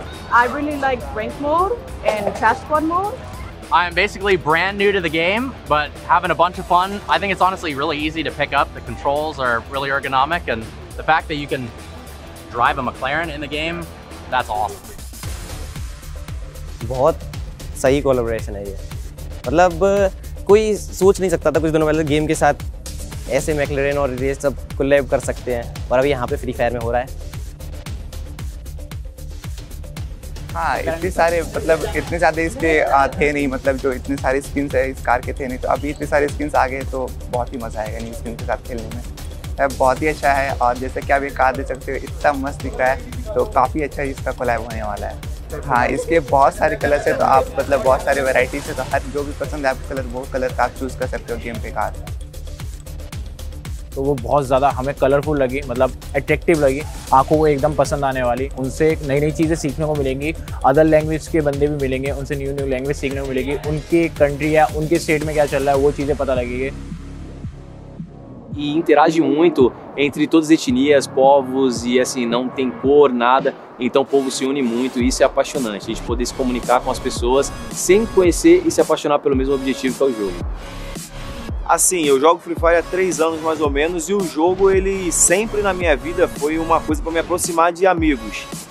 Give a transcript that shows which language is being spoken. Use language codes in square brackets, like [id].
[en] I really like rank mode and fast squad mode. I'm basically brand new to the game, but having a bunch of fun. I think it's honestly really easy to pick up. The controls are really ergonomic, and the fact that you can drive a McLaren in the game, that's awesome. [hi] बहुत सही collaboration है ये मतलब कोई सोच नहीं सकता था कुछ दिनों पहले गेम के साथ ऐसे मैकलेरन और ये सब कोलैब कर सकते हैं और अभी यहां पे फ्री फायर में हो रहा है हां इतने सारे इसके थे नहीं मतलब जो इतने सारे स्किन्स है इस कार के थे नहीं तो अभी इतने सारे स्किन्स आ गए तो बहुत ही मजा आएगा न्यू स्किन के साथ खेलने में बहुत ही अच्छा है और जैसे कि आप ये कार देख सकते हो इतना मस्त दिख रहा है तो काफी अच्छा इसका कोलैब होने वाला है हां इसके बहुत सारे कलर्स है तो आप मतलब बहुत सारे वैरायटीज है तो हर जो भी पसंद है आप कलर का चूज कर सकते हो गेम पे कार तो वो बहुत ज्यादा हमें कलरफुल लगी मतलब अट्रैक्टिव लगी आंखों को एकदम पसंद आने वाली उनसे एक नई-नई चीजें सीखने को मिलेंगी अदर लैंग्वेज के बंदे भी मिलेंगे उनसे न्यू लैंग्वेज सीखने को मिलेगी उनके कंट्री या उनके स्टेट में क्या चल रहा है वो चीजें पता लगेगी [pt] e interage muito entre todas as etnias, povos e assim, não tem cor, nada, então o povo se une muito e isso é apaixonante, a gente poder se comunicar com as pessoas sem conhecer e se apaixonar pelo mesmo objetivo que é o jogo. Assim, eu jogo Free Fire há 3 anos mais ou menos e o jogo ele sempre na minha vida foi uma coisa para me aproximar de amigos.